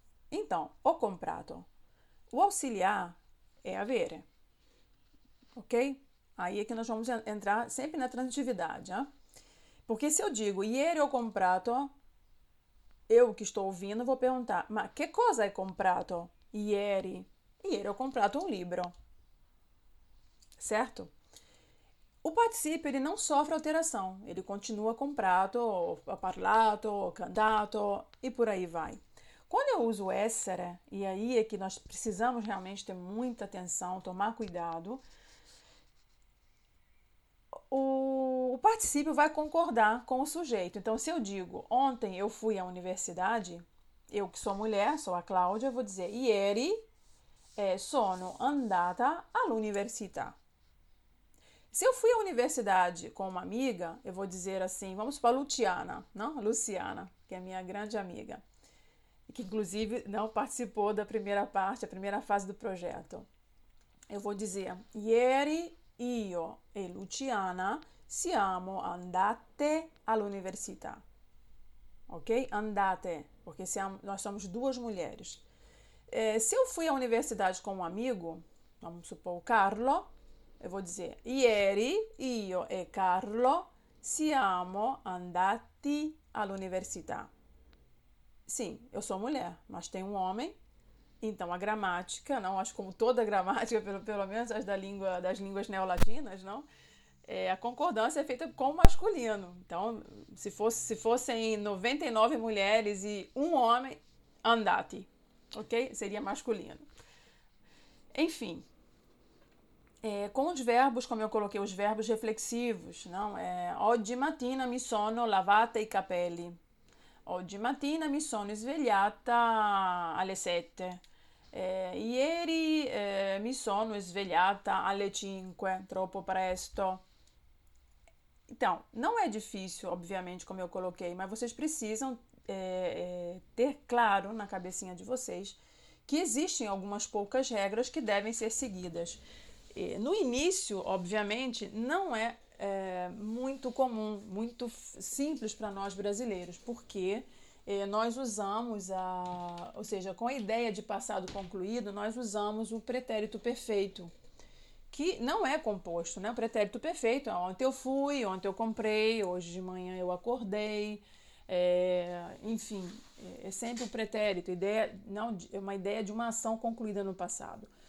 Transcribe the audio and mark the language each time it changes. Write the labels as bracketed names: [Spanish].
[Portuguese] Então, [Italian] ho comprato. [Portuguese] O auxiliar é avere, ok? Aí é que nós vamos entrar sempre na transitividade, né? Porque se eu digo [Italian] ieri ho comprato, [Portuguese] eu que estou ouvindo vou perguntar: [Italian] ma che cosa hai comprato ieri? Ieri ho comprato un libro, certo? [Portuguese] O participio, ele não sofre alteração, ele continua [Italian] comprato, parlato, cantato [Portuguese] e por aí vai. Quando eu uso essere, e aí é que nós precisamos realmente ter muita atenção, tomar cuidado, o participio vai concordar com o sujeito. Então, se eu digo, ontem eu fui à universidade, eu que sou mulher, sou a Cláudia, vou dizer, [Italian] ieri sono andata all'università. [Portuguese] Se eu fui à universidade com uma amiga, eu vou dizer assim, vamos para Luciana, não? Luciana, que é minha grande amiga, que inclusive não participou da primeira parte, a primeira fase do projeto. Eu vou dizer: [Italian] ieri io e Luciana siamo andate all'università. Ok? Andate, perché [Portuguese] nós somos duas mulheres. Se eu fui à universidade com um amigo, vamos supor o Carlo, eu vou dizer: [Italian] ieri io e Carlo siamo andati all'università. [Portuguese] Sim, eu sou mulher, mas tem um homem. Então a gramática, não, acho como toda gramática, pelo menos as da língua das línguas neolatinas, não, a concordância é feita com o masculino. Então, se fossem 99 mulheres e um homem, andati, ok? Seria masculino. Enfim. Com os verbos, como eu coloquei, os verbos reflexivos, não? [Italian] Oggi mattina mi sono lavata i capelli. Oggi mattina mi sono svegliata alle 7. Ieri mi sono svegliata alle 5, troppo presto. [Portuguese] Então, não é difícil, obviamente, como eu coloquei, mas vocês precisam ter claro na cabecinha de vocês que existem algumas poucas regras que devem ser seguidas. No início, obviamente, não é muito comum, muito simples para nós brasileiros, porque nós usamos ou seja, com a ideia de passado concluído, nós usamos o pretérito perfeito, que não é composto, né? O pretérito perfeito é ontem eu fui, ontem eu comprei, hoje de manhã eu acordei, enfim, é sempre o pretérito, ideia, não, é uma ideia de uma ação concluída no passado.